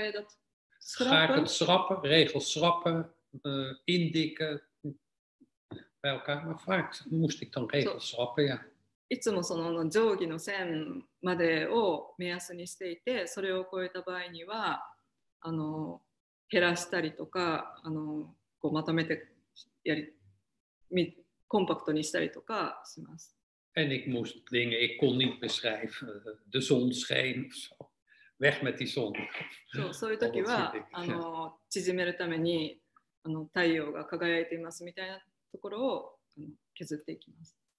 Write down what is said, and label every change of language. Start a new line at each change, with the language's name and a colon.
Japanese: お話を書いて、それ以上長くなったら、
Dutch: ga ik het schrappen, regels schrappen, indikken bij elkaar. Maar vaak moest ik dan regels schrappen, ja.
Japanese: いつもその定規の線までを目安にしていて、それを超えた場合には、減らしたりとか、こうまとめてやり、コンパクトにしたりとかします。
Dutch: En ik moest dingen, ik kon niet beschrijven. De zon scheen of zo. Weg met die zon.
Japanese: そういう時は縮めるために太陽が輝いていますみたいなところを削っていきます。